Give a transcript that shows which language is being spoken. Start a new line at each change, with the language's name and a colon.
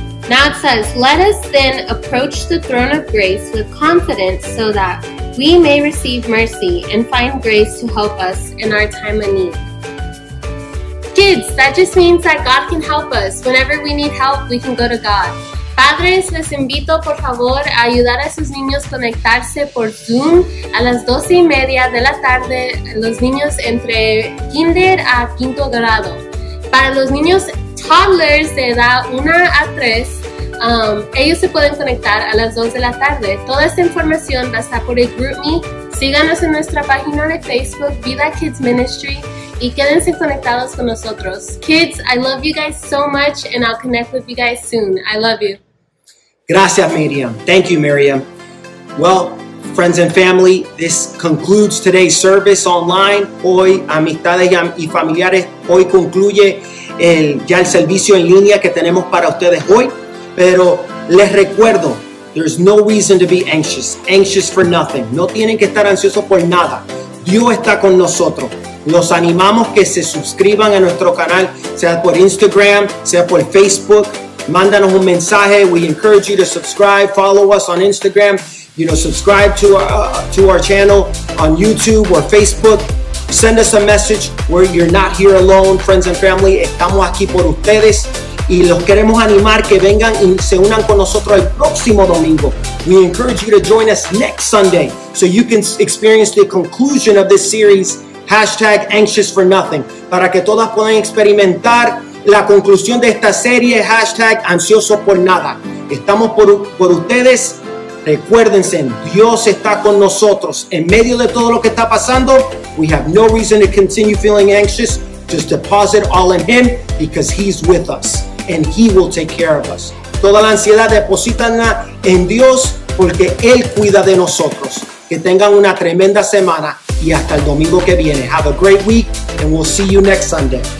English: Now it says, let us then approach the throne of grace with confidence so that we may receive mercy and find grace to help us in our time of need. Kids, that just means that God can help us. Whenever we need help, we can go to God.
Spanish: Padres, les invito por favor a ayudar a sus niños a conectarse por Zoom a las 12:30 de la tarde, los niños entre kinder a quinto grado. Para los niños toddlers de edad 1 a 3, ellos se pueden conectar a las 2 de la tarde. Toda esta información va a estar por el GroupMe. Síganos en nuestra página de Facebook, Vida Kids Ministry, y quédense conectados con nosotros.
English: Kids, I love you guys so much, and I'll connect with you guys soon. I love you. Gracias, Miriam. Thank you, Miriam. Well, friends and family, this concludes today's service online.
Spanish: Hoy, amistades y familiares, hoy concluye el servicio en línea que tenemos para ustedes hoy.
English: Pero les recuerdo, there's no reason to be anxious. Anxious for nothing.
Spanish: No tienen que estar ansiosos por nada. Dios está con nosotros. Los animamos que se suscriban a nuestro canal, sea por Instagram, sea por Facebook.
English: Mándanos un mensaje. We encourage you to subscribe. Follow us on Instagram. You know, subscribe to our channel on YouTube or Facebook. Send us a message where you're not here alone, friends and family.
Spanish: Estamos aquí por ustedes. Y los queremos animar que vengan y se unan con nosotros el próximo domingo.
English: We encourage you to join us next Sunday so you can experience the conclusion of this series, hashtag anxious for nothing.
Spanish: Para que todas puedan experimentar la conclusión de esta serie, hashtag ansioso por nada. Estamos por ustedes. Recuérdense, Dios está con nosotros.
English: En medio de todo lo que está pasando, we have no reason to continue feeling anxious. Just deposit all in Him because He's with us and He will take care of us.
Spanish: Toda la ansiedad, deposítanla en Dios porque Él cuida de nosotros. Que tengan una tremenda semana y hasta el domingo que viene.
English: Have a great week and we'll see you next Sunday.